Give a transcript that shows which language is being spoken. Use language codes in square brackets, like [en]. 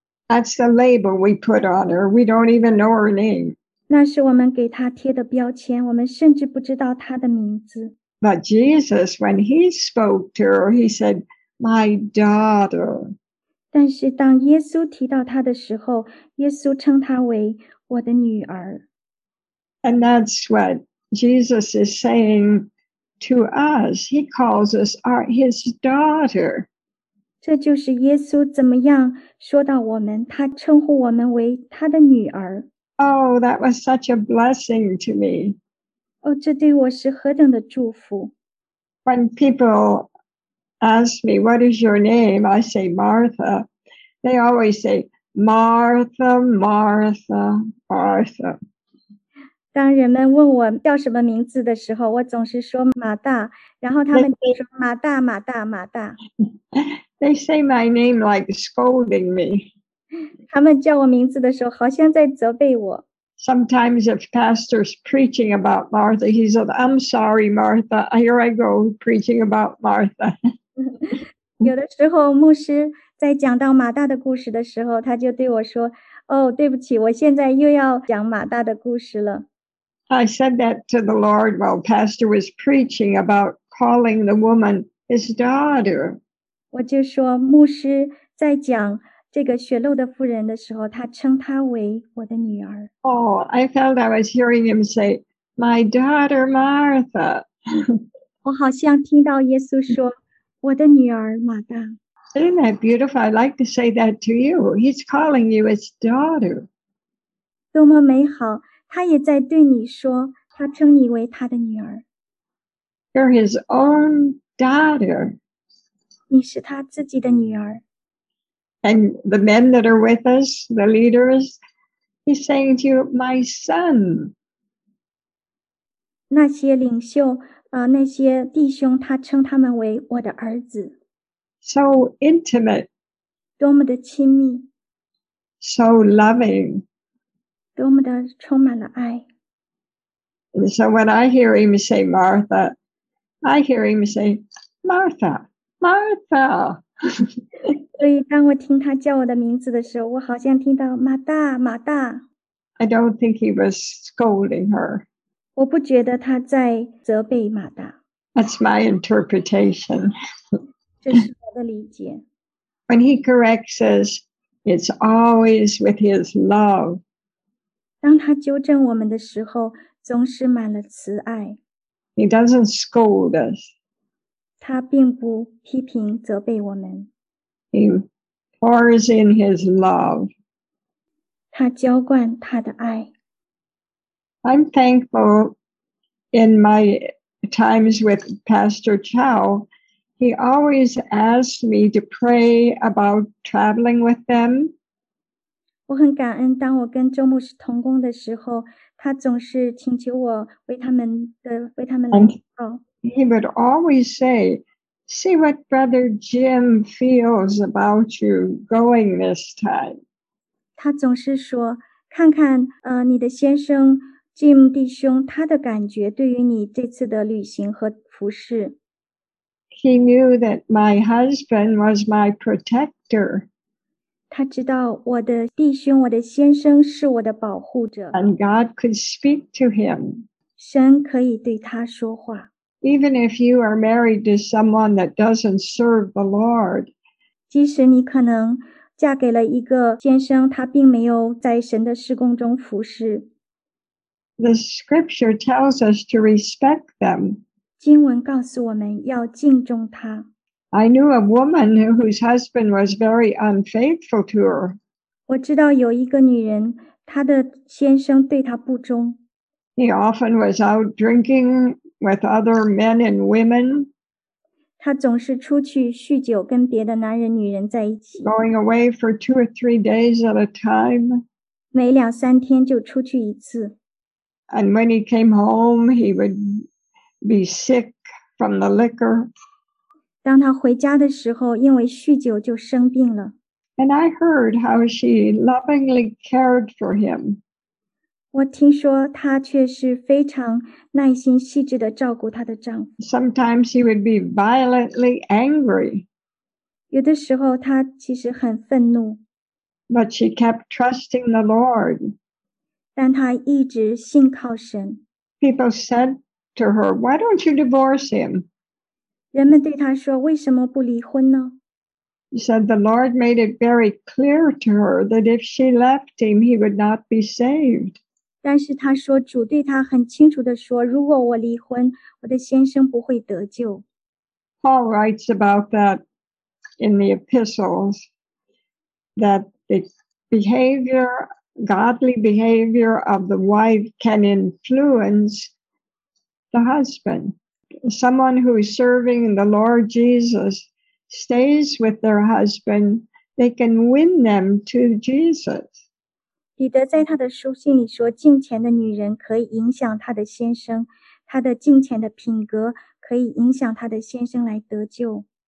[en] That's the label we put on her. We don't even know her name. [zh] 那是我们给她贴的标签我们甚至不知道她的名字。 [en] But Jesus, when he spoke to her, he said, My daughter. [zh] 但是当耶稣提到她的时候，耶稣称她为我的女儿。 [en] And that's what Jesus is saying to us. He calls us his daughter. [zh] 这就是耶稣怎么样说到我们，他称呼我们为他的女儿。 [en] Oh, that was such a blessing to me. [zh] Oh, 这对我是何等的祝福。 [en] When people ask me, what is your name? I say, Martha. They always say, Martha, Martha, Martha. [zh] 当人们问我叫什么名字的时候，我总是说马大，然后他们就说马大，马大，马大。 [en] They say my name like scolding me. [zh] 他们叫我名字的时候好像在责备我。 [en] Sometimes if pastor's preaching about Martha, he says, I'm sorry, Martha, here I go preaching about Martha. [zh] 有的时候牧师在讲到马大的故事的时候，他就对我说，哦，对不起，我现在又要讲马大的故事了。 [en] I said that to the Lord while pastor was preaching about calling the woman his daughter. [zh] 我就说牧师在讲这个血漏的妇人的时候，他称她为我的女儿。 [en] Oh, I felt I was hearing him say, "My daughter Martha." [zh] 我好像听到耶稣说，我的女儿马大。 [en] Isn't that beautiful? I'd like to say that to you. He's calling you his daughter. [zh] 多么美好！他也在对你说，他称你为他的女儿。 [en] You're his own daughter. [zh] 你是他自己的女儿。 [en] And the men that are with us, the leaders, he's saying to you, my son. [zh] 那些领袖，那些弟兄，他称他们为我的儿子。 [en] So intimate. [zh] 多么的亲密。 [en] So loving. [zh] 多么的充满了爱。 [en] And so when I hear him say, Martha, I hear him say, Martha, Martha. [zh] 所以当我听他叫我的名字的时候，我好像听到马大马大。 [en] I don't think he was scolding her. [zh] 我不觉得他在责备马达。 [en] That's my interpretation. [zh] 这是我的理解。 [en] When he corrects us, it's always with his love. [zh] 当他纠正我们的时候，总是满了慈爱。 [en] He doesn't scold us. [zh] 他并不批评责备我们。 [en] He pours in his love. [zh] 他浇灌他的爱。 [en] I'm thankful in my times with Pastor Chow. He always asked me to pray about traveling with them. [zh] 我很感恩当我跟周牧师同工的时候，他总是请求我为他们来祷告。 [en] He would always say, see what Brother Jim feels about you going this time. [zh] 他总是说，看看你的先生Jim 弟兄他的感觉对于你这次的旅行和服侍。 [en] He knew that my husband was my protector. [zh] 他知道我的弟兄我的先生是我的保护者。 [en] And God could speak to him. [zh] 神可以对他说话。 [en] Even if you are married to someone that doesn't serve the Lord. [zh] 即使你可能嫁给了一个先生他并没有在神的事工中服侍。 [en] The scripture tells us to respect them. [zh] 经文告诉我们要敬重他。 [en] I knew a woman whose husband was very unfaithful to her. [zh] 我知道有一个女人，她的先生对她不忠。 [en] He often was out drinking with other men and women. [zh] 她总是出去酗酒，跟别的男人、女人在一起。 [en] Going away for 2 or 3 days at a time. [zh] 每两三天就出去一次。 [en] And when he came home, he would be sick from the liquor. [zh] 当他回家的时候，因为酗酒就生病了。 [en] And I heard how she lovingly cared for him. [zh] 我听说她却是非常耐心细致地照顾她的丈夫。 [en] Sometimes he would be violently angry. [zh] 有的时候她其实很愤怒。 [en] But she kept trusting the Lord. [zh] 但她一直信靠神。 [en] People said to her, why don't you divorce him? [zh] 人们对她说，为什么不离婚呢？ [en] She said the Lord made it very clear to her that if she left him, he would not be saved. [zh] 但是她说，主对她很清楚地说，如果我离婚，我的先生不会得救。 [en] Paul writes about that in the epistles, that the behavior Godly behavior of the wife can influence the husband. Someone who is serving the Lord Jesus stays with their husband, they can win them to Jesus. [zh] 彼得在他的书信里说，敬虔的女人可以影响她的先生，她的敬虔的品格可以影响她的先生来得救。